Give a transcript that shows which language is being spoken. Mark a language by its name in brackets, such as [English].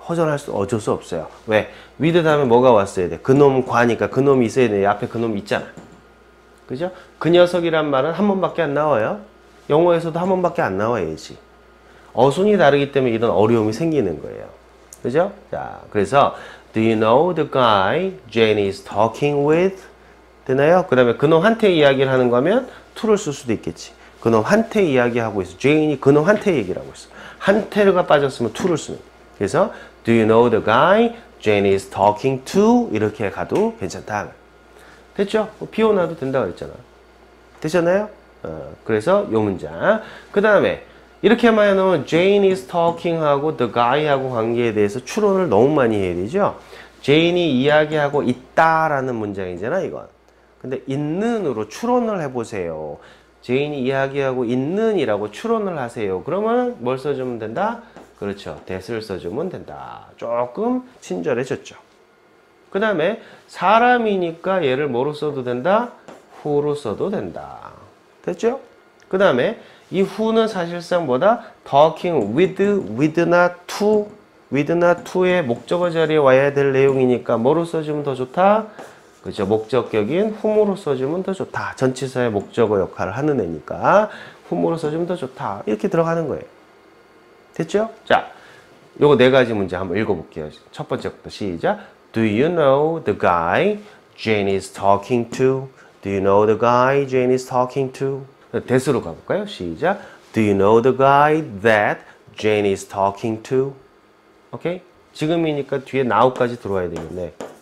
[Korean] 허전할 수 어쩔 수 없어요. 왜? with 다음에 뭐가 왔어야 돼? 그놈 과니까 그놈이 있어야 돼. 앞에 그놈이 있잖아. 그죠? 그 녀석이란 말은 한 번밖에 안 나와요. 영어에서도 한 번밖에 안 나와야지. 어순이 다르기 때문에 이런 어려움이 생기는 거예요. 그죠? 자, 그래서 [English] Do you know the guy Jane is talking with? [Korean] 되나요? 그 다음에 그놈한테 이야기를 하는 거면 to를 쓸 수도 있겠지. 그놈한테 이야기하고 있어. Jane이 그놈한테 얘기를 하고 있어. 한테가 빠졌으면 to를 쓰면. 그래서 [English] Do you know the guy Jane is talking to? [Korean] 이렇게 가도 괜찮다. 됐죠? 비워놔도 된다고 그랬잖아. 되셨나요? 그래서 요 문장. 그 다음에 이렇게 말해놓으면 [English] Jane is talking [Korean] 하고 the guy 하고 관계에 대해서 추론을 너무 많이 해야 되죠. Jane이 이야기하고 있다 라는 문장이잖아 이건. 근데 있는으로 추론을 해보세요. Jane이 이야기하고 있는 이라고 추론을 하세요. 그러면 뭘 써주면 된다? 그렇죠. that을 써주면 된다. 조금 친절해졌죠. 그 다음에 사람이니까 얘를 뭐로 써도 된다? who로 써도 된다. 됐죠? 그 다음에 이 who는 사실상 뭐다? talking with나 to의 목적어 자리에 와야 될 내용이니까 뭐로 써주면 더 좋다? 그렇죠. 목적격인 whom으로 써주면 더 좋다. 전치사의 목적어 역할을 하는 애니까 whom으로 써주면 더 좋다. 이렇게 들어가는 거예요. 됐죠? 자, 요거 네 가지 문제 한번 읽어볼게요. 첫 번째부터 시작. [English] Do you know the guy Jane is talking to? Do you know the guy Jane is talking to? [Korean] 대수로 가볼까요? 시작. [English] Do you know the guy that Jane is talking to? [Korean] 오케이? 지금이니까 뒤에 now까지 들어와야 되겠네.